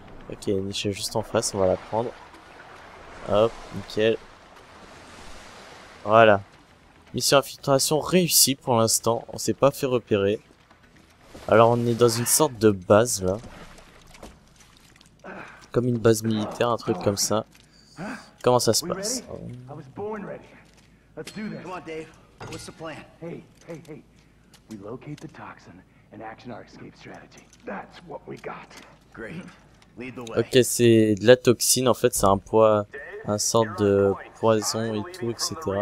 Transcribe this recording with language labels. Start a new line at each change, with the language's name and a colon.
French: Ok, il y a une échelle juste en face, on va la prendre, hop, nickel, voilà. Mission infiltration réussie pour l'instant, on s'est pas fait repérer. Alors on est dans une sorte de base là. Comme une base militaire, un truc comme ça. Comment ça se passe?
English: I was born ready. Let's do this. Come on Dave, what's the plan? Hey. We locate the toxin and action our escape strategy. That's what we got. Great.
French: Ok, c'est de la toxine en fait, c'est un poids, un sorte de poison et tout, etc.